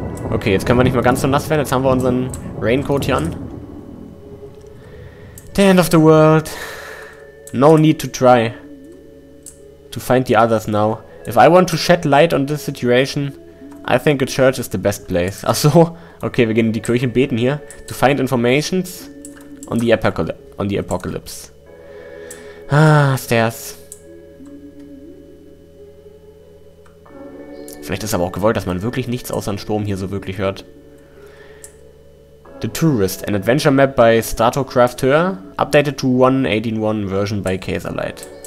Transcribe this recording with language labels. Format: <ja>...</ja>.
<de>Okay, jetzt können wir nicht mehr ganz so nass werden. Jetzt haben wir unseren Raincoat hier an.</de> <en>The end of the world. No need to try to find the others now. If I want to shed light on this situation, I think a church is the best place.</en> <de>Ach so. Okay, wir gehen in die Kirche und beten hier.</de> <en>To find informations on the apocalypse. Ah, stairs.</en> <de>Vielleicht ist aber auch gewollt, dass man wirklich nichts außer einen Sturm hier so wirklich hört.</de> <en>The Tourist, an adventure map by StartoCrafter, updated to 1.18.1 version by Kaiserlight.</en>